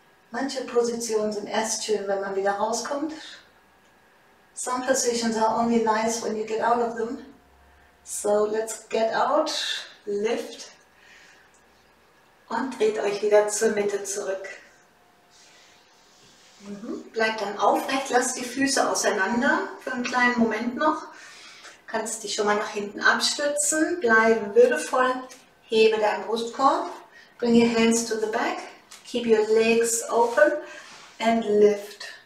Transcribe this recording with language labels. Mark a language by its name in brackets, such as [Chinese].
[German] Manche Positionen sind erst schön, wenn man wieder rauskommt. [English] Some positions are only nice when you get out of them. So let's get out, lift [German] und dreht euch wieder zur Mitte zurück. Bleibt dann aufrecht, lasst die Füße auseinander für einen kleinen Moment noch. Kannst dich schon mal nach hinten abstützen, bleibe würdevoll, hebe deinen Brustkorb. [English] Bring your hands to the back, keep your legs open and lift.